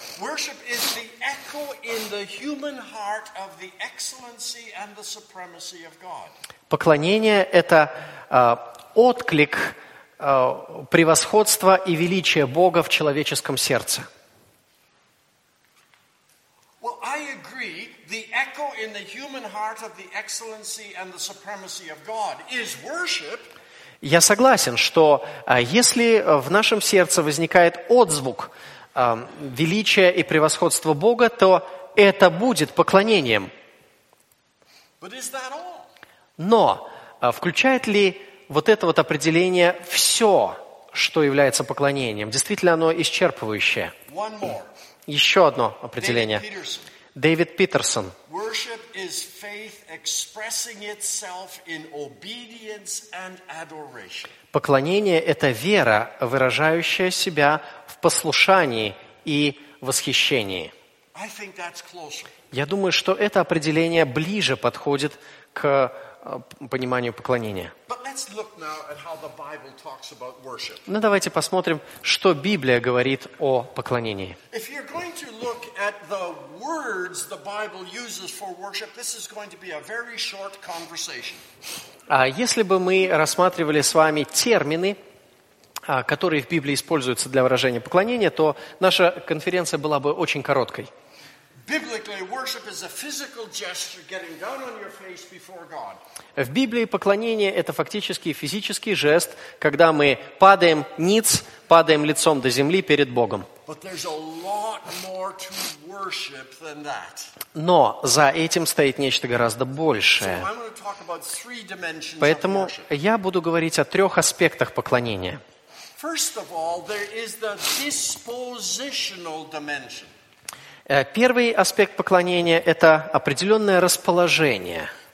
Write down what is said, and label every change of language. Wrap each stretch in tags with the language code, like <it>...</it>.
<en>Worship is the echo in the human heart of the excellency and the supremacy of God.</en> <ru>Поклонение – это отклик превосходства и величия Бога в человеческом сердце.</ru> <en>Well, I agree. The echo in the human heart of the excellency and the supremacy of God is worship.</en> <ru>Я согласен, что если в нашем сердце возникает отзвук величия и превосходства Бога, то это будет поклонением.</ru> <en>But is that all?</en> <ru>Но включает ли вот это вот определение все, что является поклонением? Действительно, оно исчерпывающее.</ru> <en>One more.</en> <ru>Еще одно определение. Дэвид Питерсон.</ru> <en>Worship is faith expressing itself in obedience and adoration.</en> <ru>Поклонение – это вера, выражающая себя в послушании и восхищении.</ru> <en>I think that's closer.</en> <ru>Я думаю, что это определение ближе подходит к пониманию поклонения.</ru> <en>But let's look now at how the Bible talks about worship.</en> <ru>Ну, давайте посмотрим, что Библия говорит о поклонении.</ru> <en>If you're going to look at the words the Bible uses for worship, this is going to be a very short conversation.</en> <ru>А если бы мы рассматривали с вами термины, которые в Библии используются для выражения поклонения, то наша конференция была бы очень короткой.</ru> <en>Biblically, worship is a physical gesture, getting down on your face before God.</en> <ru>В Библии поклонение – это фактически физический жест, когда мы падаем ниц, падаем лицом до земли перед Богом.</ru> <en>But there's a lot more to worship than that.</en> <ru>Но за этим стоит нечто гораздо большее.</ru> <en>So I'm going to talk about three dimensions.</en> <ru>Поэтому</ru> <en>of worship.</en> <ru>Я буду говорить о трех аспектах поклонения.</ru> <en>First of all, there is the dispositional dimension.</en> <ru>Первый аспект поклонения – это определенное расположение.</ru>